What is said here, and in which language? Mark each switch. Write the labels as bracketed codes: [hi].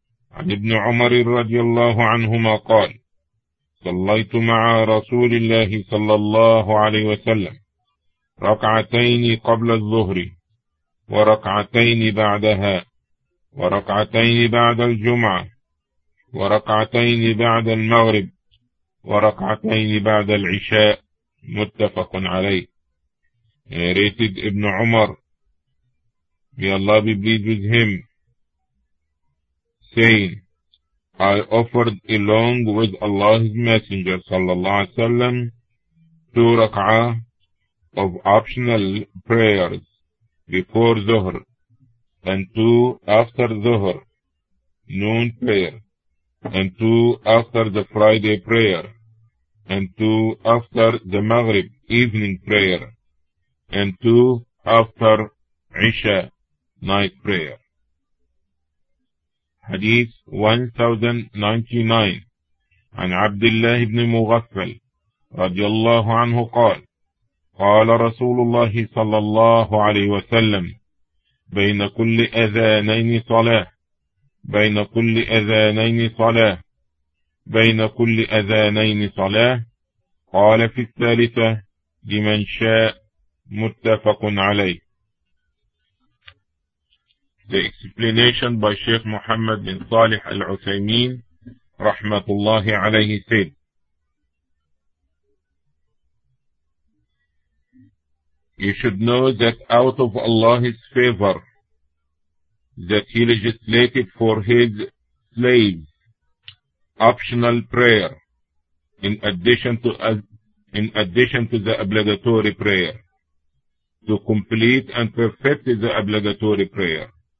[ar] عن ابن عمر رضي الله عنهما قال صليت مع رسول الله صلى الله عليه وسلم ركعتين قبل الظهر وركعتين بعدها وركعتين بعد الجمعة وركعتين بعد المغرب وركعتين بعد العشاء. متفق عليه. [en] Narrated ابن عمر, may Allah be pleased with him, saying, I offered along with Allah's Messenger sallallahu alaihi wasallam 2 rak'ah of optional prayers before Zuhr and 2 after Zuhr, noon prayer, and 2 after the Friday prayer, and 2 after the Maghrib evening prayer, and 2 after Isha night prayer. Hadith 1099 [ar] عن عبد الله بن مغفل رضي الله عنه قال قال رسول الله صلى الله عليه وسلم بين كل أذانين صلاة بين كل أذانين صلاة بين كل أذانين صلاة قال في الثالثة لمن شاء. متفق عليه. [en] The explanation by Sheikh Muhammad bin Salih Al-Uthaymeen, rahmatullahi alayhi, said, you should know that out of Allah's favor that He legislated for His slaves optional prayer in addition to the obligatory prayer, to complete and perfect the obligatory prayer.